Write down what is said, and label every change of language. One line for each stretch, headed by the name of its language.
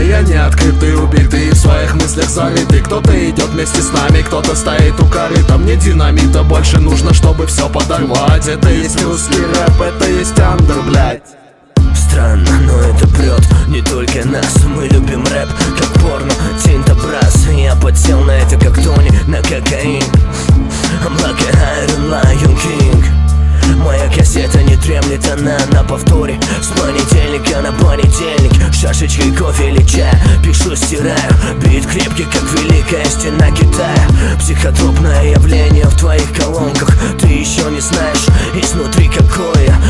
Russian: Я не открытый, убитый, в своих мыслях зарытый. Кто-то идет вместе с нами, кто-то стоит у корыта. Мне динамита больше нужно, чтобы все подорвать. Это есть русский рэп, это есть андер, блять. Странно, но это прет не только нас. Мы любим рэп, как порно, тинта брас. Я подсел на это, как Тони, на кокаин.
English: I'm like an Iron Lion King.
Russian: Моя кассета не дремлет, она на повторе. С понедельника на понедельник. Шашечкой кофе или чая пишу, стираю. Бит крепкий, как великая стена Китая. Психотропное явление в твоих колонках. Ты еще не знаешь, изнутри какое.